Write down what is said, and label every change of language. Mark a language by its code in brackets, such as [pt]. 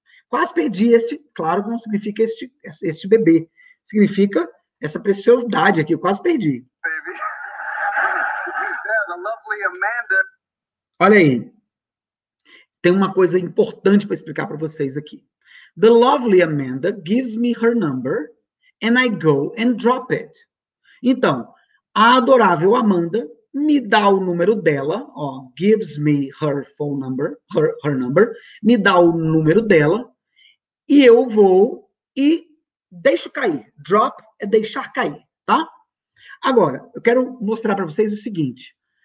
[pt] Quase perdi este, claro que não significa este bebê. Significa essa preciosidade aqui, eu quase perdi. Olha aí. Tem uma coisa importante para explicar para vocês aqui. [en] The lovely Amanda gives me her number and I go and drop it. [pt] Então, a adorável Amanda me dá o número dela, ó, [en] gives me her phone number, her number, [pt] me dá o número dela e eu vou e deixo cair. Drop é deixar cair, tá? Agora, eu quero mostrar para vocês o seguinte.